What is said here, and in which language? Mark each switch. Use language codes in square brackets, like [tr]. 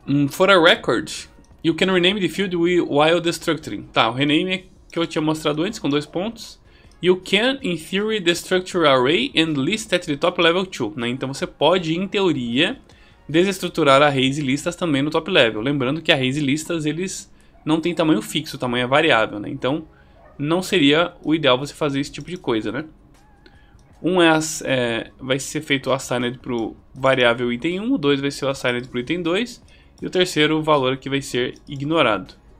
[en] For a record, you can rename the field while destructuring. [pt] Tá, o rename é que eu tinha mostrado antes, com dois pontos. [en] You can, in theory, destructure array and list at the top level too. [pt] Né? Então você pode, em teoria, desestruturar arrays e listas também no top level. Lembrando que arrays e listas, eles não têm tamanho fixo, o tamanho é variável. Né? Então, não seria o ideal você fazer esse tipo de coisa. Né? Um vai ser feito o assigned para o variável item 1, o 2 vai ser o assigned para o item 2, e o terceiro o valor que vai ser ignorado.